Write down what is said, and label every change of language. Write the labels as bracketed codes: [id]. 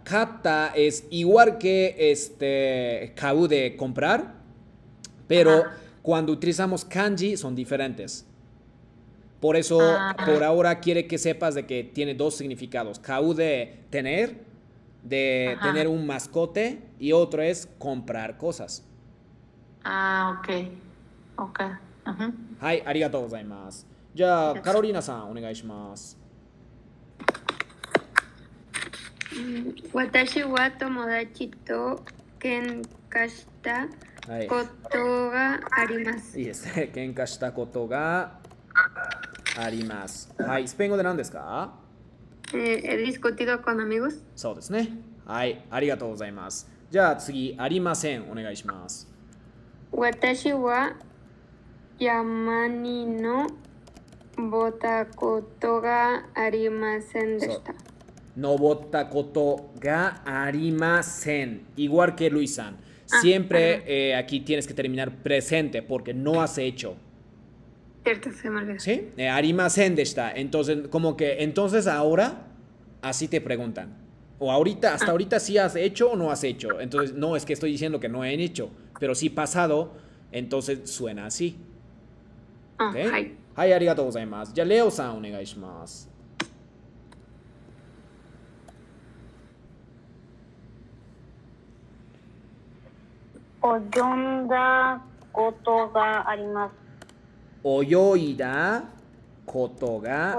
[es] Kata es igual que kau de comprar, pero ajá, cuando utilizamos kanji son diferentes. Por eso, ajá, por ahora quiere que sepas de que tiene dos significados. Kau de tener, de ajá, tener un mascote, y otro es comprar cosas. Ah, ok. Ok. Ajá. [ja] Hai, arigatou gozaimasu. じゃあ、カロリーナさん、お願いします。私は友達と喧嘩したことがあります。いいですね。喧嘩したことがあります。はい、スペイン語で何ですか？ [es] He discutido con amigos。 [ja] そうですね。はい、ありがとうございます。じゃあ次、ありません、お願いします。私は山にのぼったことがありませんでした。のぼったことがありません。 [es] Igual que Luisan. Siempre aquí tienes que terminar presente porque no has hecho. Cierto, se me olvidó. [ja] Sí, ありませんでした。 [es] Entonces, como que, entonces ahora, así te preguntan. O ahorita, hasta ahorita sí has hecho o no has hecho. Entonces, no, es que estoy diciendo que no he hecho. Pero sí pasado, entonces suena así. Ok. Hi. [ja] はい、ありがとうございます。じゃあ、レオさん、お願いします。泳いだことがあります。泳いだことが